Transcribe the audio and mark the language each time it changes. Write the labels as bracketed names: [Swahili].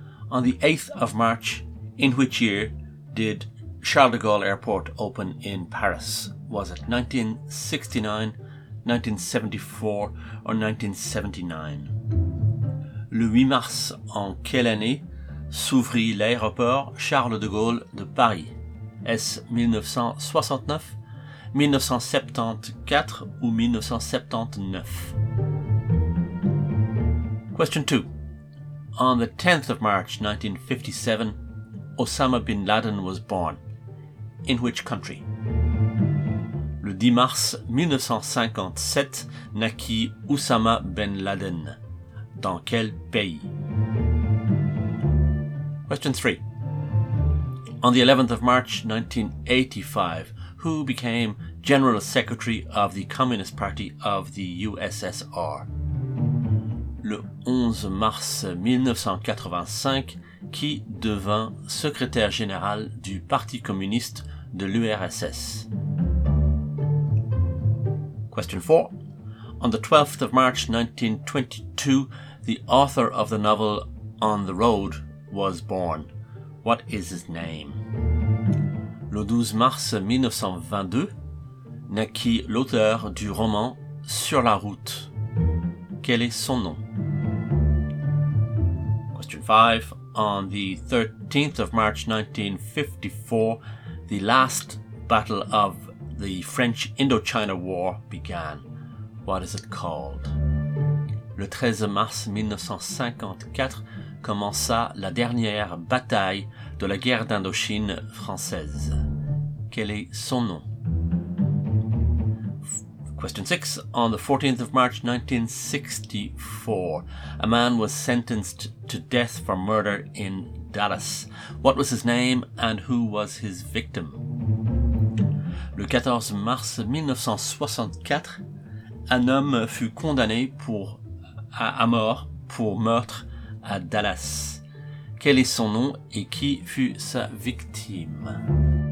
[English] On the 8th of March, in which year did Charles de Gaulle Airport open in Paris? Was it 1969, 1974, or 1979? [French] Le 8 mars, en quelle année s'ouvrit l'aéroport Charles de Gaulle de Paris? Est-ce 1969, 1974 ou 1979? [English] Question 2. On the 10th of March, 1957, Osama bin Laden was born. In which country? [French] Le 10 mars 1957 naquit Osama bin Laden. Dans quel pays? [English] Question 3. On the 11th of March 1985, who became General Secretary of the Communist Party of the USSR? [French] Le 11 mars 1985, qui devint Secrétaire Général du Parti Communiste de l'URSS. [English] Question 4. On the 12th of March 1922, the author of the novel On the Road was born. What is his name? [French] Le 12 mars 1922, naquit l'auteur du roman Sur la route. Quel est son nom? [English] Question 5. On the 13th of March 1954, the last battle of the French Indochina War began. What is it called? [French] Le 13 mars 1954 commença la dernière bataille de la guerre d'Indochine française. Quel est son nom? [English] Question 6. On the 14th of March 1964, a man was sentenced to death for murder in Dallas. What was his name and who was his victim? [French] Le 14 mars 1964, un homme fut condamné à mort pour meurtre à Dallas. Quel est son nom et qui fut sa victime?